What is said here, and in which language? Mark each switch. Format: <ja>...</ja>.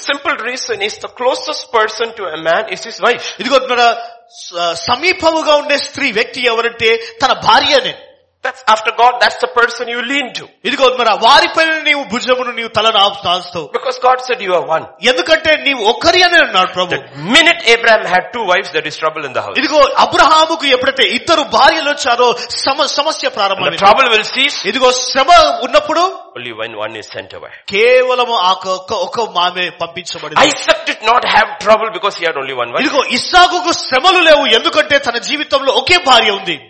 <en>simple reason is the closest person to a man is his wife</en> <te>ఇదిగో సమీపముగా ఉండే స్త్రీ వ్యక్తి ఎవరంటే తన భార్యనే</te> <en>That's after God, that's the person you lean to.</en> <te>ఇది గోద్మర వారి పైన నీవు భుజమును నీవు తలను ఆపుతావు.</te> <en>Because God said you are one.</en> <te>ఎందుకంటే నీవు ఒకరి అనే అన్నాడు ప్రభు.</te> <en>The minute Abraham had two wives, there is trouble in the house.</en> <te>ఇది గో అబ్రహాముకు ఎప్పుడైతే ఇద్దరు భార్యలు వచ్చారో సమస్య ప్రారంభమైంది.</te> <en>The trouble will cease.</en> <te>ఇది గో శ్రమ ఉన్నప్పుడు</te> <en>only when one is sent away.</en> <te>కేవలం ఒక మామె పంపించబడింది.</te> <en>Isaac did not have trouble because he had only one wife.</en> <te>ఇది గో ఇస్సాకుకు శ్రమలు లేవు ఎందుకంటే తన జీవితంలో ఒకే భార్య ఉంది.</te>